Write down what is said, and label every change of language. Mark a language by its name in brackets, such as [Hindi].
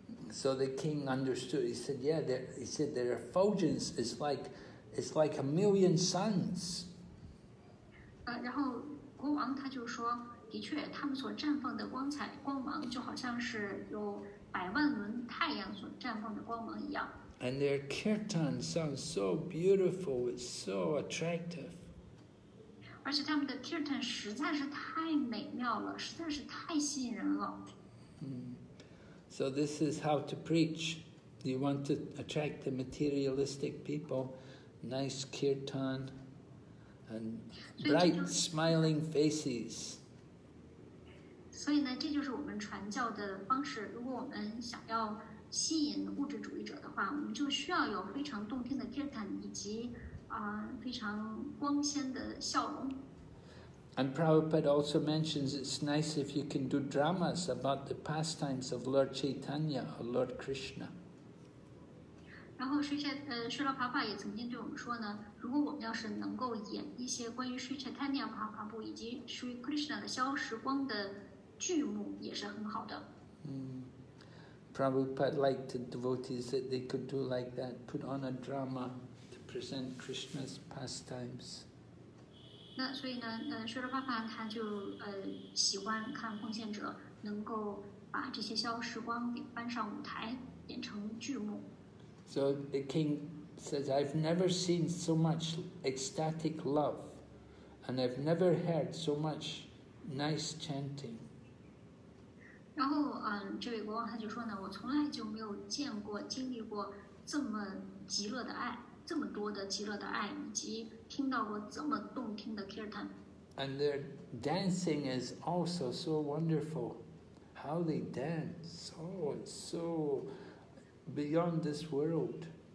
[English] So the king understood. He said, "Yeah, he said their effulgence is like, it's like a million suns." [Chinese] 然后国王他就说，的确，他们所绽放的光彩光芒就好像是有百万轮太阳所绽放的光芒一样。 [English] And their kirtan sounds so beautiful. It's so attractive. [Chinese] 而且他们的 kirtan 实在是太美妙了，实在是太吸引人了。 [English] So this is how to preach. You want to attract the materialistic people, nice kirtan, and bright smiling faces. [Chinese] 所以呢，这就是我们传教的方式。如果我们想要吸引物质主义者的话，我们就需要有非常动听的 kirtan 以及非常光鲜的笑容。 [English] And Prabhupada also mentions it's nice if you can do dramas about the pastimes of Lord Chaitanya or Lord Krishna. [Chinese] 然后Srila Prabhupada 也曾经对我们说呢，如果我们要是能够演一些关于 Sri Chaitanya Mahaprabhu 以及 Sri Krishna 的消时光的剧目，也是很好的。 [English] Prabhupada liked the devotees that they could do like that, put on a drama to present Krishna's pastimes. [Chinese] 那所以呢，舍利巴巴他就喜欢看奉献者能够把这些消时光给搬上舞台，演成剧目。 [English] So the king says, I've never seen so much ecstatic love, and I've never heard so much nice chanting. [Chinese] 然后这位国王他就说呢,我从来就没有见过,经历过这么极乐的爱,这么多的极乐的爱,以及听到过这么动听的kirtan. [English] And their dancing is also so wonderful. How they dance, oh, it's so beyond this world.